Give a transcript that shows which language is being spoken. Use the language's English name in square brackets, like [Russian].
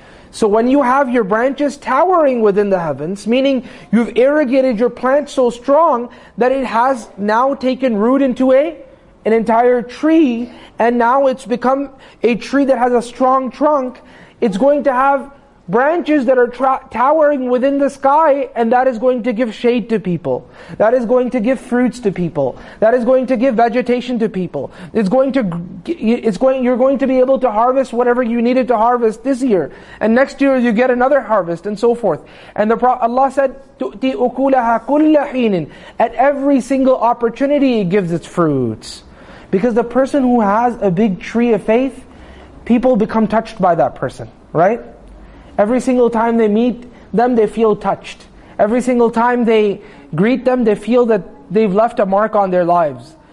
[English] So when you have your branches towering within the heavens, meaning you've irrigated your plant so strong that it has now taken root into an entire tree, and now it's become a tree that has a strong trunk, it's going to have branches that are towering within the sky, and that is going to give shade to people. That is going to give fruits to people. That is going to give vegetation to people. You're going to be able to harvest whatever you needed to harvest this year. And next year you get another harvest and so forth. And Allah said, [Arabic] تُؤْتِي أُكُولَهَا كُلَّ حِينٍ. [English] At every single opportunity it gives its fruits. Because the person who has a big tree of faith, people become touched by that person, right? Every single time they meet them, they feel touched. Every single time they greet them, they feel that they've left a mark on their lives.